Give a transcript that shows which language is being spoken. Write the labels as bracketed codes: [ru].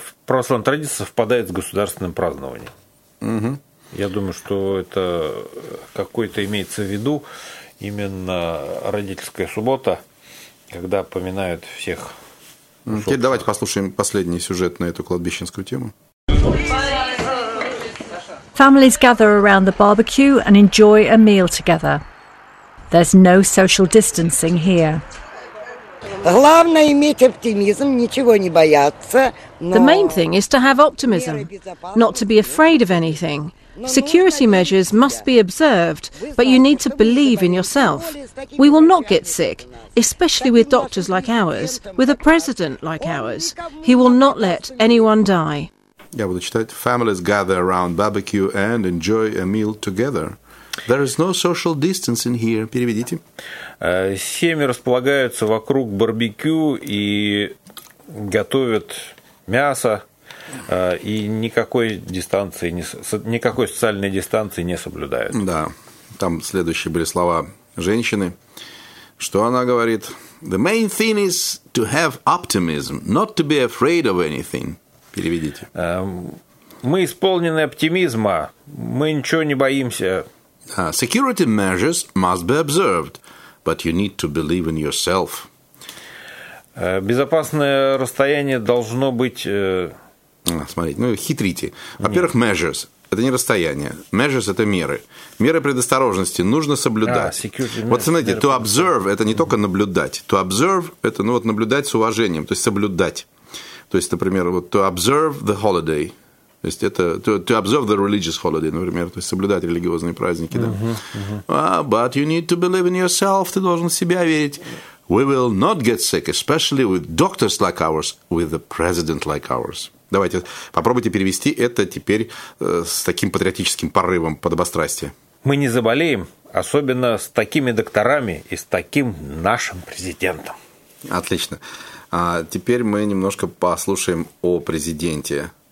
[ru] Православная традиция совпадает с государственным празднованием. Угу. Я думаю, что это какой-то имеется в виду именно родительская суббота, когда поминают всех. Теперь давайте послушаем последний сюжет на эту кладбищенскую тему. [en] Families gather around the barbecue and enjoy a meal together. There's no social distancing here. [ru] Главное иметь оптимизм, ничего не бояться. [en] The main thing is to have optimism, not to be afraid of anything. Security measures must be observed, but you need to believe in yourself. We will not get sick, especially with doctors like ours, with a president like ours. He will not let anyone die. [ru] Я буду читать. [en] Families gather around barbecue and enjoy a meal together. There is no social distancing here. [ru] Переведите. Семьи располагаются вокруг барбекю и готовят мясо. И никакой дистанции, никакой социальной дистанции не соблюдают. Да, там следующие были слова женщины. Что она говорит? [en] The main thing is to have optimism, not to be afraid of anything. [ru] Переведите. Мы исполнены оптимизма, мы ничего не боимся. [en] Security measures must be observed, but you need to believe in yourself. [ru] Безопасное расстояние должно быть... Смотрите, ну хитрите. Во-первых, measures – это не расстояние. Measures – это меры. Меры предосторожности нужно соблюдать. Вот смотрите, to observe – это не только наблюдать. To observe – это ну, вот, наблюдать с уважением, то есть соблюдать. То есть, например, вот, [en] to observe the holiday. [ru] То есть это [en] to observe the religious holiday, [ru] например. То есть соблюдать религиозные праздники. Да? [en] But you need to believe in yourself. [ru] Ты должен в себя верить. [en] We will not get sick, especially with doctors like ours, with the president like ours. [ru] Давайте попробуйте перевести это теперь с таким патриотическим порывом подобострастия. Мы не заболеем, особенно с такими докторами и с таким нашим президентом. Отлично. А теперь мы немножко послушаем о президенте.